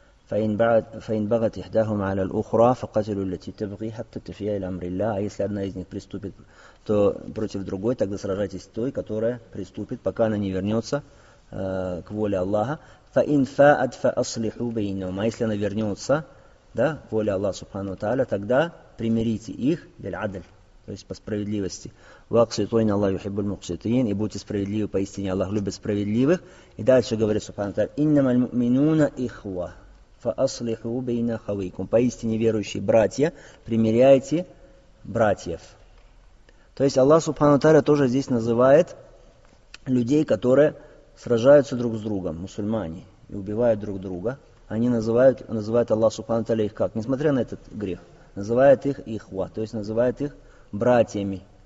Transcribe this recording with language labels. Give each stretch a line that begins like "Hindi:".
Arabic: فَإِنْ بَغَتْ إِحْدَاهُمَا عَلَى الْأُخْرَى فَقَتِلُوا الَّتِي تَبْغِي حَتَّى تَفِيَ إِلَى أَمْرِ اللَّهِ.
Russian: А если одна из них приступит то против другой, тогда сражайтесь с той, которая приступит, пока она не вернется к воле Аллаха.
Arabic: فَإِنْ فَاءَتْ فَأَصْلِحُوا بَيْنَهُمَا.
Russian: А если она вернется, да, к воле Аллаха Субхану Тааля, тогда примирите их биль-адль, то есть по справедливости.
Arabic: وَاقْسِطُوا إِنَّ اللَّهَ يُحِبُّ الْمُقْسِطِينَ.
Russian: И будьте справедливы, поистине Аллах любит справедливых. И дальше говорит Субхану Тааля:
Arabic: إِنَّمَا الْمُؤْمِنُونَ إِخْوَةٌ فَأَصْلِحُوا بَيْنَ أَخَوَيْكُمْ.
Russian: Поистине верующие братья, примиряйте братьев. То есть Аллах Субхану Тааля тоже здесь называет людей, которые сражаются друг с другом, мусульмане, и убивают друг друга. Они называют Аллах Субхану Тааля их как? Несмотря на этот грех, называет их ихва, то есть называет их братьями.